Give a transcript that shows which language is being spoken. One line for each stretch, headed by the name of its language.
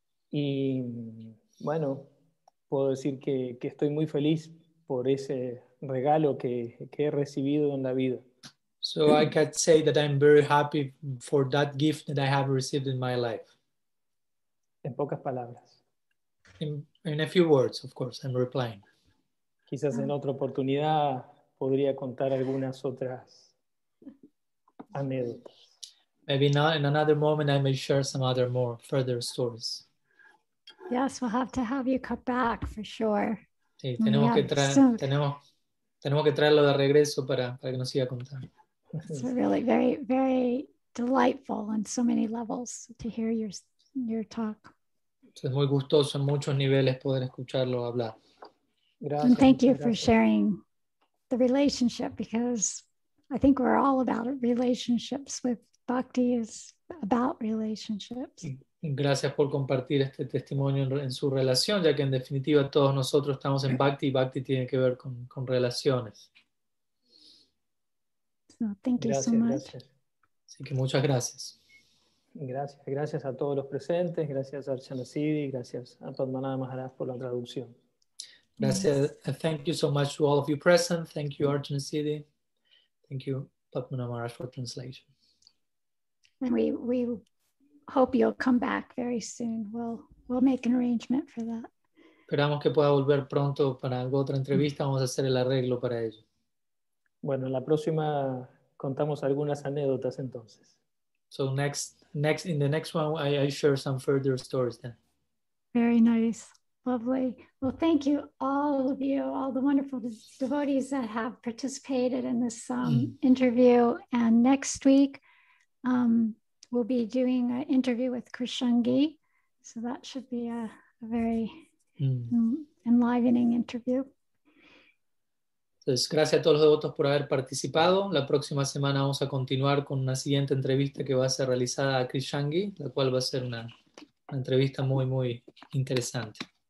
Spanish: Y bueno, puedo decir que estoy muy feliz por ese regalo que he recibido en la vida.
English: So I can say that I'm very happy for that gift that I have received in my life.
Spanish: En pocas palabras.
English: In a few words, of course, I'm replying.
Spanish: Quizás en otra oportunidad podría contar algunas otras anécdotas.
English: Maybe not in another moment I may share some other more further stories. Yes, we'll have to have you come back for sure.
Spanish: Sí, tenemos que traerlo de regreso para que nos siga contando.
English: It's really very, very delightful on so many levels to hear your talk.
Spanish: Es muy gustoso en muchos niveles poder escucharlo hablar.
English: Gracias, and thank you for sharing the relationship, because I think we're all about relationships with bhakti, is about relationships.
Spanish: Gracias por compartir este testimonio en su relación, ya que en definitiva todos nosotros estamos en bhakti, y bhakti tiene que ver con relaciones.
English: So, thank you so much.
Spanish: Gracias. Así que muchas gracias. Gracias a todos los presentes, gracias a Archana Siddhi, gracias a Padmanabha Maharaj por la traducción. Gracias.
English: Yes. Thank you so much to all of you present. Thank you, Archana Siddhi. Thank you, Padmanabha Maharaj, for translation. And we hope you'll come back very soon. We'll make an arrangement for that.
Spanish: Esperamos que pueda volver pronto para alguna otra entrevista. Vamos a hacer el arreglo para ello. Bueno, en la próxima contamos algunas anécdotas entonces.
English: So next in the next one I share some further stories then. Very nice. Lovely. Well, thank you, all of you, all the wonderful devotees that have participated in this interview. And next week, we'll be doing an interview with Krishangi. So that should be a very enlivening interview.
Spanish: Entonces, gracias a todos los devotos por haber participado. La próxima semana vamos a continuar con una siguiente entrevista que va a ser realizada a Krishangi, la cual va a ser una entrevista muy, muy interesante.